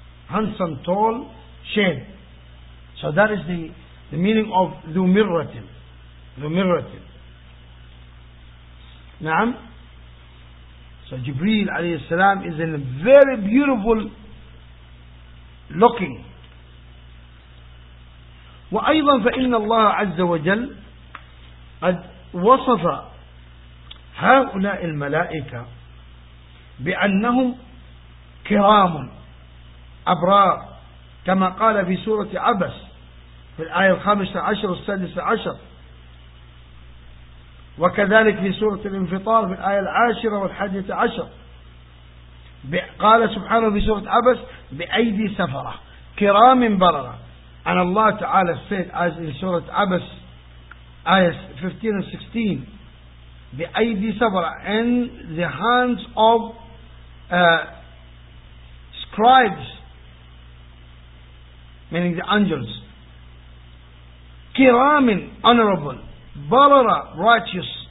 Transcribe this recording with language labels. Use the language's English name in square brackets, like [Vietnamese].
[English] Handsome, tall shape. So that is the meaning of Dhumirratin. Dhumirratin. Naam. So Jibreel alayhi salam is in a very beautiful looking. [Arabic] وأيضا فإن الله عز وجل قد وصف هؤلاء الملائكة بأنهم كرام أبرار كما قال في سورة عبس في الآية 15 و16 وكذلك في سورة الانفطار في الآية 10 و11 قال سبحانه في سورة عبس بأيدي سفرة كرام بررة. [English] And Allah Ta'ala said as in Surah Abbas ayahs 15 and 16 [Arabic] بأيدي سفرة, [English] in the hands of scribes, meaning the angels, كرام honorable, بررة righteous.